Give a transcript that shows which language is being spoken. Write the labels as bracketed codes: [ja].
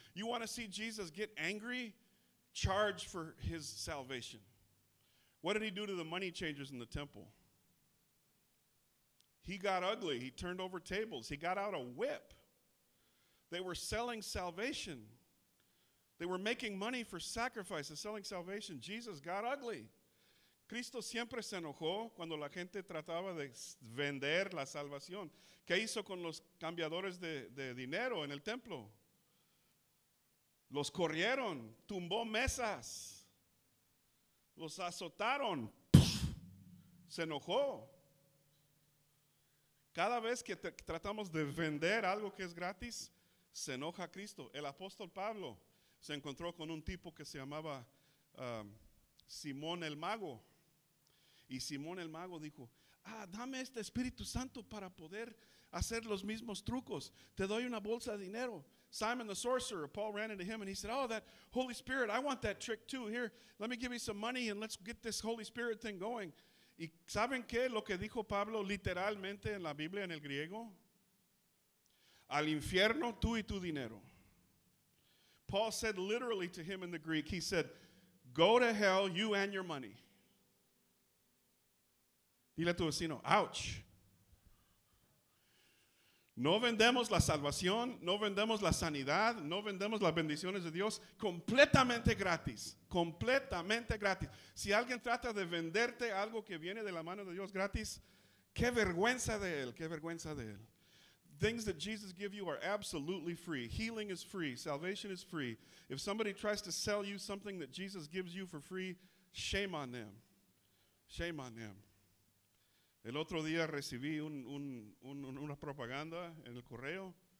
[en] You want to see Jesus get angry? Charge for his salvation. What did he do to the money changers in the temple? He got ugly. He turned over tables. He got out a whip. They were selling salvation. They were making money for sacrifices, selling salvation. Jesus got ugly. [es] Cristo siempre se enojó cuando la gente trataba de vender la salvación. ¿Qué hizo con los cambiadores de dinero en el templo? Los corrieron, tumbó mesas, los azotaron, se enojó. Cada vez que tratamos de vender algo que es gratis, se enoja Cristo. El apóstol Pablo se encontró con un tipo que se llamaba Simón el Mago. Y Simón el Mago dijo, dame este Espíritu Santo para poder hacer los mismos trucos. Te doy una bolsa de dinero. [en] Simon the Sorcerer, Paul ran into him and he said, oh, that Holy Spirit, I want that trick too. Here, let me give you some money and let's get this Holy Spirit thing going. [es] ¿Y saben qué? Lo que dijo Pablo literalmente en la Biblia, en el griego. Al infierno, tú y tu dinero. [en] Paul said literally to him in the Greek, he said, go to hell, you and your money. [es] Dile a tu vecino, ouch. No vendemos la salvación, no vendemos la sanidad, no vendemos las bendiciones de Dios completamente gratis, completamente gratis. Si alguien trata de venderte algo que viene de la mano de Dios gratis, qué vergüenza de él, qué vergüenza de él. [en] Things that Jesus gives you are absolutely free. Healing is free. Salvation is free. If somebody tries to sell you something that Jesus gives you for free, shame on them. Shame on them. [es] El otro día recibí una propaganda en el correo.